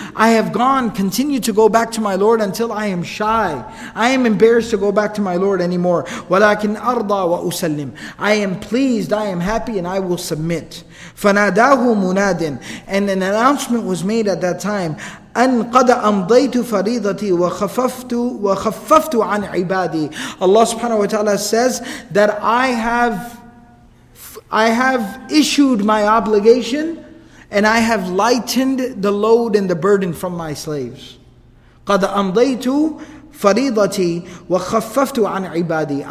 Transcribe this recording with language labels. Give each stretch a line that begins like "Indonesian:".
English: I have gone, continue to go back to my Lord until I am shy. I am embarrassed to go back to my Lord anymore.
Arabic: وَلَكِنْ أَرْضَى وَأُسَلِّمْ.
English: I am pleased, I am happy, and I will submit.
Arabic: فَنَادَاهُ مُنَادٍ.
English: And an announcement was made at that time.
Arabic: أَنْ قَدَ أَمْضَيْتُ فَرِيضَتِي وَخَفَّفْتُ عَنْ عِبَادِي.
English: Allah subhanahu wa ta'ala says that I have issued my obligation and I have lightened the load and the burden from my slaves.
Arabic: قَدَ أَمْضَيْتُ فَرِيضَتِي وَخَفَّفْتُ عَنْ عِبَادِي.